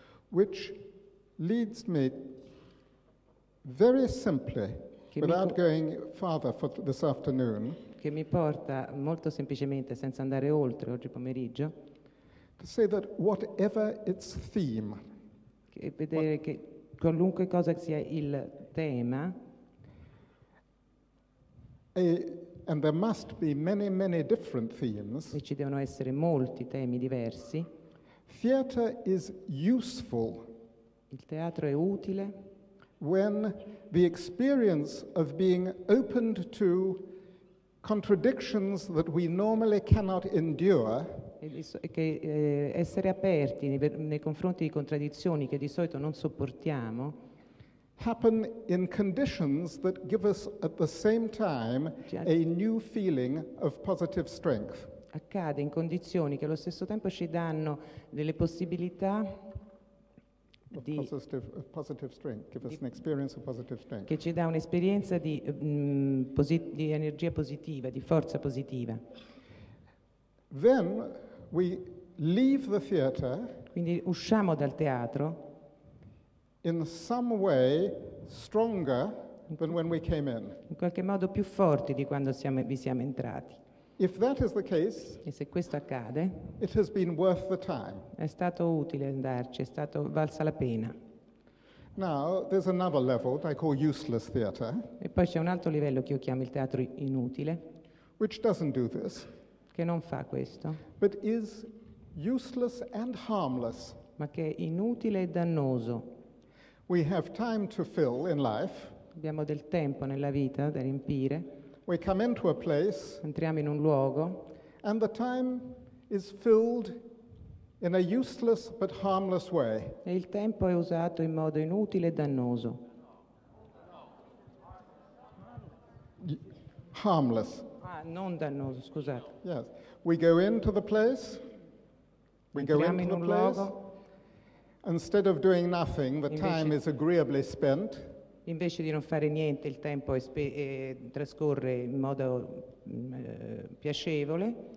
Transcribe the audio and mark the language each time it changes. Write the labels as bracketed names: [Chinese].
[English] Which leads me very simply, without going farther for this afternoon. [Italian] Che mi porta molto semplicemente, senza andare oltre oggi pomeriggio. [English] To say that whatever its theme. [Italian] Che vedere che qualunque cosa sia il tema. [English] And there must be many, many different themes. [Italian] E ci devono essere molti temi diversi. [English] Theater is useful. [Italian] Il teatro è utile. [English] When the experience of being opened to contradictions that we normally cannot endure. [Italian] Che essere aperti nei confronti di contraddizioni che di solito non sopportiamo. [English] Happen in conditions that give us at the same time a new feeling of positive strength. [Italian] Accade in condizioni che allo stesso tempo ci danno delle possibilità di [English] positive strength, give us an experience of positive strength. [Italian] Che ci dà un'esperienza di energia positiva, di forza positiva. [English] Then we leave the theater. [Italian] Quindi usciamo dal teatro. [English] In some way stronger than when we came in. [Italian] In qualche modo più forti di quando vi siamo entrati. [English] If that is the case, [Italian] e se questo accade, [English] it has been worth the time. [Italian] È stato utile andarci, valsa la pena. [English] Now there's another level that I call useless theater. [Italian] E poi c'è un altro livello che io chiamo il teatro inutile. [English] Which doesn't do this. [Italian] Che non fa questo. [English] But is useless and harmless. [Italian] Ma che è inutile e dannoso. [English] We have time to fill in life. [Italian] Abbiamo del tempo nella vita da riempire. [English] We come into a place. [Italian] Entriamo in un luogo. [English] And the time is filled in a useless but harmless way. [Italian] E il tempo è usato in modo inutile e dannoso. [English] Harmless. [Italian] Ah, non dannoso, scusate. [English] Yes. We go into the place. We go into the place. Instead of doing nothing, the time is agreeably spent. [Italian] Invece di non fare niente, il tempo trascorre in modo piacevole.